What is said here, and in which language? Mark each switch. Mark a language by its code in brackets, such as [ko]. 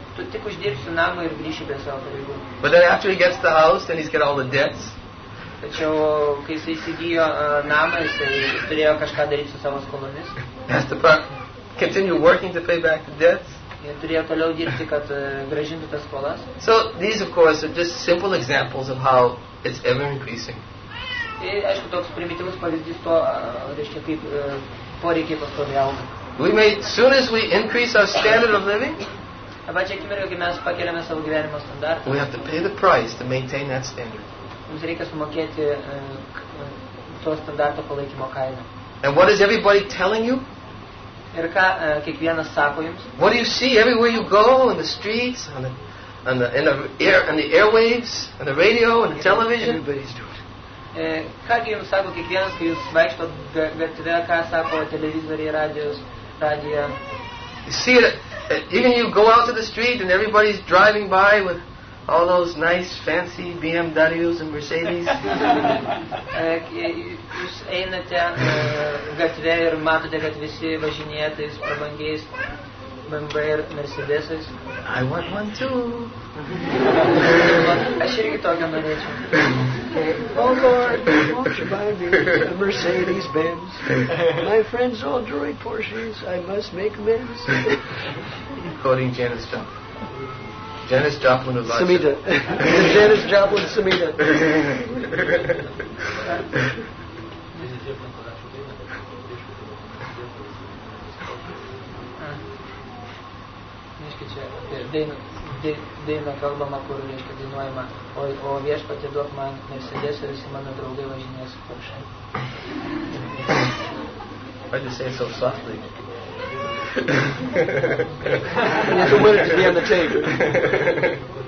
[lt] tu tik uždirbsi namą ir grįši prie savo pareigų. [en] But then after he gets the house, then he's got all the debts. [lt] Tačiau kai jis įsigijo namą, jis turėjo kažką daryti su savo skolomis. [en] Has to continue working to pay back the debts. [lt] Ir turėjo toliau dirbti, kad grąžintų tas skolas. [en] So these, of course, are just simple examples of how it's ever increasing. [lt] Ir aišku, toks primityvus pavyzdys to, reiškia, kaip poreikiai pastoviai auga. [en] We may, soon as we increase our standard of living, we have to pay the price to maintain that standard. And what is everybody telling you? What do you see everywhere you go, in the streets, on the airwaves, on the radio, on the television? Everybody's doing. [lt] Ką gi jums sako kiekvienas, kai jūs vaikšto gatvė, ką sako televizoriai, radijos, radija? [en] You see it, even you go out to the street and everybody's driving by with all those nice fancy BMWs and Mercedes. [lt] Jūs einate gatvė ir matote, kad visi važinėja tais prabangiais BMW ir Mercedesais. [en] I want one too. [lt] Aš irgi tokią norėčiau. [en] Oh Lord, won't you buy me a Mercedes Benz? My friends all drive Porsches. I must make amends. Quoting Janis Joplin. Janis Joplin of Samita. Janis Joplin Samita. [lt] Dėjimą kalbama, kur reiškia dainuojama, o viešpatė duok man Mercedes ir visi mano draugai važinės su Porsche. [en] Why do you say it so softly? It's a word to be on the table.